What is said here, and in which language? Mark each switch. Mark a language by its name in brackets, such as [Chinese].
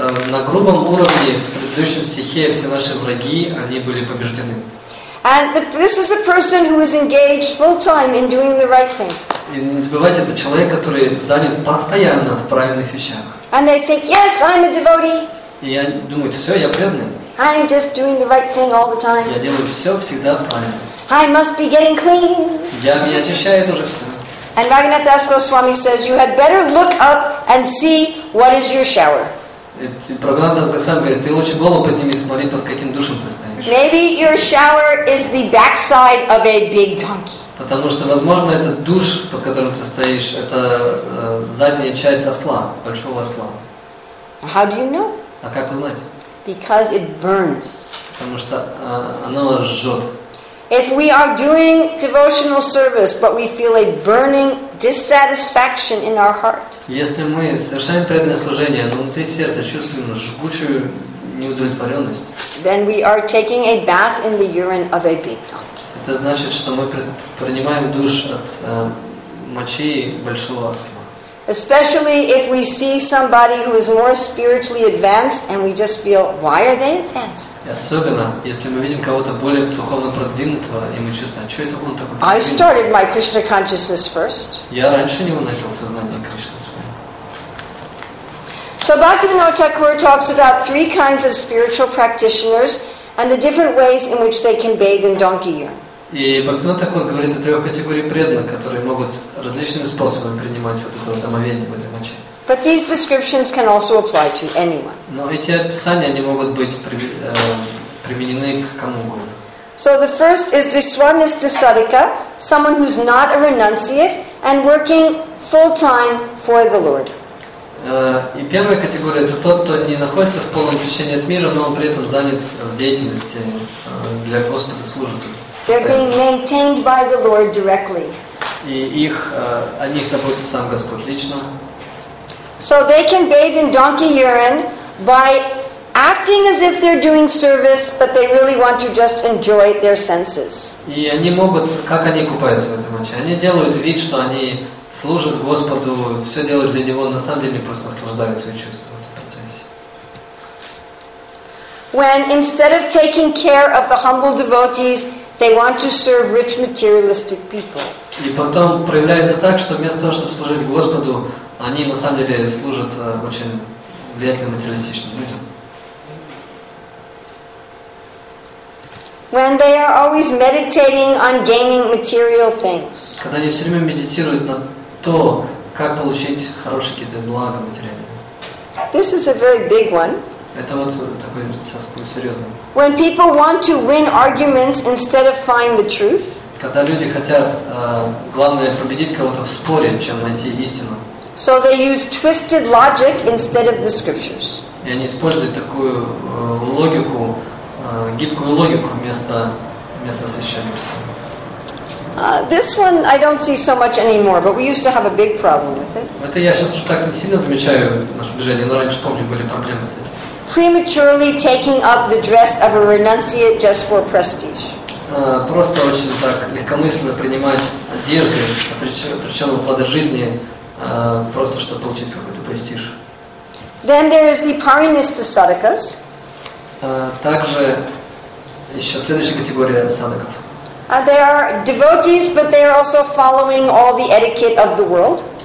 [Russian] На грубом уровне в предыдущем стихе все наши враги, они были побеждены. [English] And this is a person who is engaged full time in doing the right thing. [Russian] И не забывайте, это человек, который занят постоянно в правильных вещах. [English] And they think, yes, I'm a devotee. [Russian] И они думают, все, я преданный. [English] I'm just doing the right thing all the time. [Russian] Я делаю все всегда правильно. [English] I must be getting clean. [Russian] Я меня очищаю тоже все. [English] And Raghunath Das Goswami says, you had better look up and see what is your shower. [Russian] Raghunath Das Goswami говорит, ты лучше голову подними, смотри, под каким душем ты стоишь. [English] Maybe your shower is the backside of a big donkey. [Russian] Потому что, возможно, этот душ, под которым ты стоишь, это задняя часть осла, большого осла. [English] How do you know? [Russian] А как узнать? [English] Because it burns. [Russian] Потому что оно жжет. [English] If we are doing devotional service, but we feel a burning dissatisfaction in our heart. [Russian] Если мы совершаем преданное служение, но внутри сердца чувствуем жгучую неудовлетворенность. [English] Then we are taking a bath in the urine of a big donkey. [Russian] Это значит, что мы принимаем душ от мочи большого осла. [English] Especially if we see somebody who is more spiritually advanced and we just feel, why are they advanced? [Russian] Особенно, если мы видим кого-то более духовно продвинутого, и мы чувствуем, что это он такой. [English] I started my Krishna consciousness first. [Russian] Я раньше него начал сознание Кришны. [English] So Bhaktivinoda Thakur talks about three kinds of spiritual practitioners and the different ways in which they can bathe in donkey urine. [Russian] И Бхактивинода Такур говорит о трех категориях преданных, которые могут различными способами принимать вот это омовение в этой моче. [English] But these descriptions can also apply to anyone. [Russian] Но эти описания они могут быть применены к кому угодно. [English] So the first is the Swarnista Sadhika, someone who's not a renunciate and working full time for the Lord. [Russian] И первая категория это тот, кто не находится в полном отречении от мира, но он при этом занят в деятельности для Господа служит. [English] They're being maintained by the Lord directly. [Russian] И их, о них заботится сам Господь лично. [English] So they can bathe in donkey urine by acting as if they're doing service, but they really want to just enjoy their senses. [Russian] И они могут, как они купаются в этом моче? Они делают вид, что они служат Господу, все делают для Него, на самом деле просто наслаждают свои чувства. [English] When instead of taking care of the humble devotees, they want to serve rich materialistic people. [Russian] И потом проявляется так, что вместо того, чтобы служить Господу, они на самом деле служат очень влиятельным материалистичным людям. [English] When they are always meditating on gaining material things. [Russian] Когда они все время медитируют на то, как получить хорошие какие-то блага материальные. [English] This is a very big one. [Russian] Это вот такой сейчас будет серьезный. [English] When people want to win arguments instead of find the truth. [Russian] Когда люди хотят главное победить кого-то в споре, чем найти истину. [English] So they use twisted logic instead of the scriptures. [Russian] И они используют такую логику, гибкую логику вместо священных писаний. [English] This one I don't see so much anymore, but we used to have a big problem with it. [Russian] Это я сейчас уже так не сильно замечаю в нашем движении, но раньше помню были проблемы с этим. [English] Prematurely taking up the dress of a renunciate just for prestige. [Russian] Просто очень так легкомысленно принимать одежды отреченного плода жизни, просто чтобы получить какой-то престиж. [English] Then there is the Parinista Sadhakas. [Russian] Также еще следующая категория садаков. [English] They are devotees, but they are also following all the etiquette of the world.